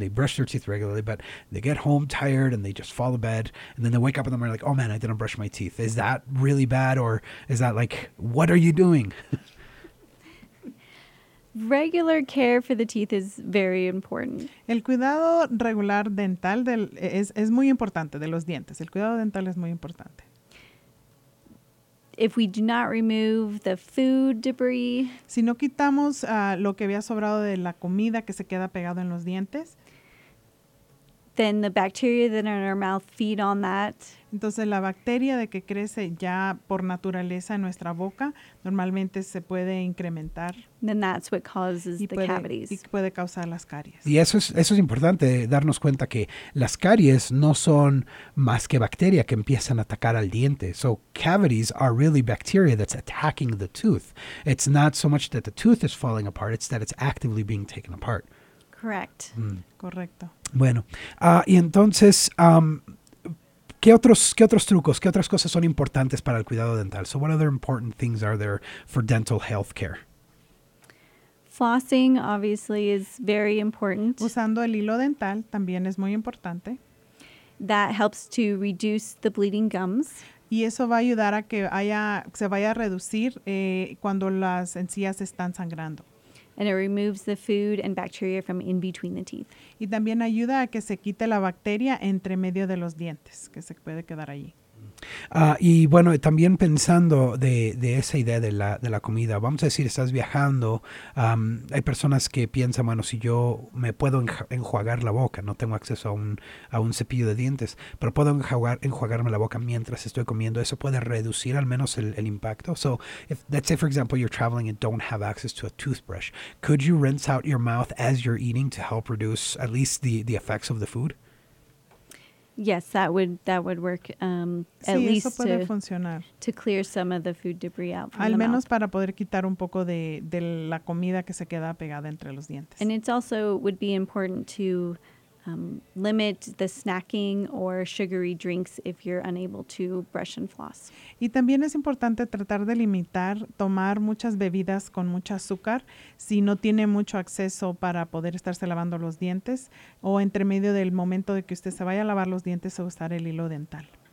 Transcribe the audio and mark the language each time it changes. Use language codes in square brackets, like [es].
[en] They brush their teeth regularly, but they get home tired and they just fall to bed, and then they wake up in the morning like, oh man, I didn't brush my teeth. Is that really bad, or is that like, what are you doing? Regular care for the teeth is very important. [es] El cuidado regular dental es muy importante, de los dientes. El cuidado dental es muy importante. [en] If we do not remove the food debris, [es] si no quitamos lo que había sobrado de la comida que se queda pegado en los dientes, [en] then the bacteria that are in our mouth feed on that. [es] Entonces la bacteria de que crece ya por naturaleza en nuestra boca normalmente se puede incrementar. [en] Then that's what causes the cavities. [es] Y puede causar las caries. Y eso es importante, darnos cuenta que las caries no son más que bacteria que empiezan a atacar al diente. [en] So cavities are really bacteria that's attacking the tooth. It's not so much that the tooth is falling apart, it's that it's actively being taken apart. Correct. [es] Correcto. Bueno, y entonces, ¿qué otros trucos, qué otras cosas son importantes para el cuidado dental? [en] So what other important things are there for dental health care? Flossing, obviously, is very important. [es] Usando el hilo dental también es muy importante. [en] That helps to reduce the bleeding gums. [es] Y eso va a ayudar a que se vaya a reducir cuando las encías están sangrando. [en] And it removes the food and bacteria from in between the teeth. [es] Y también ayuda a que se quite la bacteria entre medio de los dientes, que se puede quedar allí. Y bueno, también pensando de esa idea de la comida, vamos a decir, estás viajando, hay personas que piensan, bueno, si yo me puedo enjuagar la boca, no tengo acceso a un cepillo de dientes, pero puedo enjuagarme la boca mientras estoy comiendo, eso puede reducir al menos el impacto. [en] So, if, let's say, for example, you're traveling and don't have access to a toothbrush, could you rinse out your mouth as you're eating to help reduce at least the effects of the food? Yes, that would work at [es] sí, [en] least [es] eso puede [en] to [es] funcionar. [en] To clear some of the food debris out from the mouth. [es] Al menos para poder quitar un poco de la comida que se queda pegada entre los dientes. [en] And it's also would be important to limit the snacking or sugary drinks if you're unable to brush and floss. [es] Y también es importante tratar de limitar tomar muchas bebidas con mucho azúcar si no tiene mucho acceso para poder estarse lavando los dientes o entre medio del momento de que usted se vaya a lavar los dientes o usar el hilo dental.